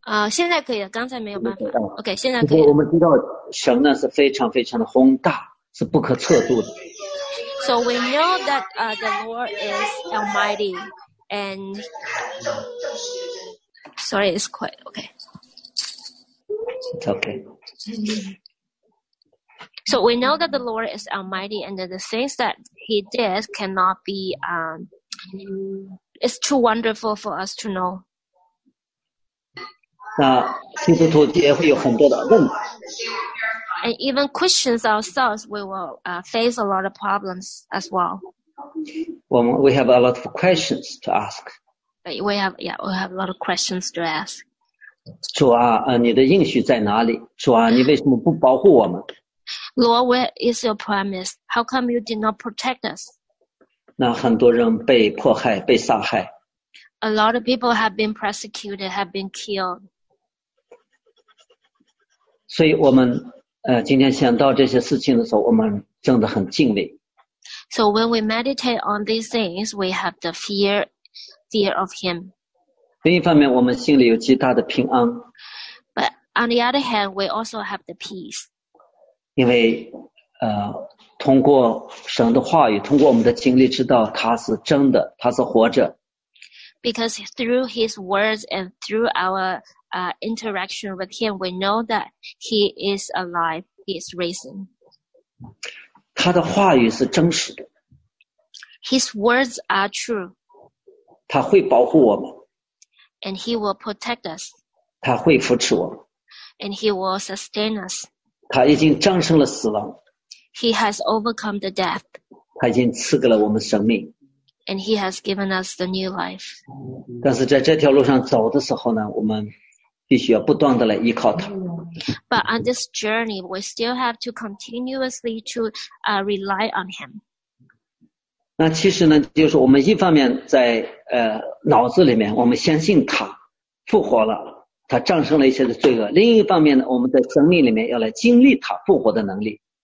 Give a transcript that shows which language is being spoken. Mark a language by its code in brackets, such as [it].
[zh] 现在可以了，刚才没有办法。 OK, 现在可以了。我们知道神呢是非常非常的宏大，是不可测度的。 [en] So we know that the Lord is Almighty. And sorry, it's quiet. Okay. It's okay. So we know that the Lord is Almighty, and that the things that He did cannot be. It's too wonderful for us to know. [zh] 那基督徒也会有很多的问题。 [en] And even Christians ourselves, we will face a lot of problems as well. We have a lot of questions to ask. We have a lot of questions to ask. [zh] 主啊，你的应许在哪里？主啊，你为什么不保护我们 [en] ？Lord, where is your promise? How come you did not protect us? [zh] 那很多人被迫害，被杀害。 [en] A lot of people have been persecuted, have been killed. [zh] 所以我们今天想到这些事情的时候，我们真的很敬畏。 [en] So when we meditate on these things, we have the fear of Him. [zh] 另一方面，我们心里有极大的平安。 [en] But on the other hand, we also have the peace. [zh] 因为通过神的话语，通过我们的经历，知道他是真的，他是活着。 [en] Because through his words and through our interaction with him, we know that he is alive, he is risen. [zh] 他的话语是真实的。 [en] His words are true. [zh] 他会保护我们。 [en] And he will protect us. [zh] 他会扶持我们。 [en] And he will sustain us. [zh] 他已经战胜了死亡。 [en] He has overcome the death. [zh] 他已经赐给了我们生命。 [en] And he has given us the new life. [zh] 但是在这条路上走的时候呢，我们必须要不断地来依靠他。 [en] But on this journey, we still have to continuously to rely on him. [zh] 那其实呢，就是我们一方面在脑子里面，我们相信他复活了，他战胜了一切的罪恶；另一方面呢，我们在生命里面要来经历他复活的能力。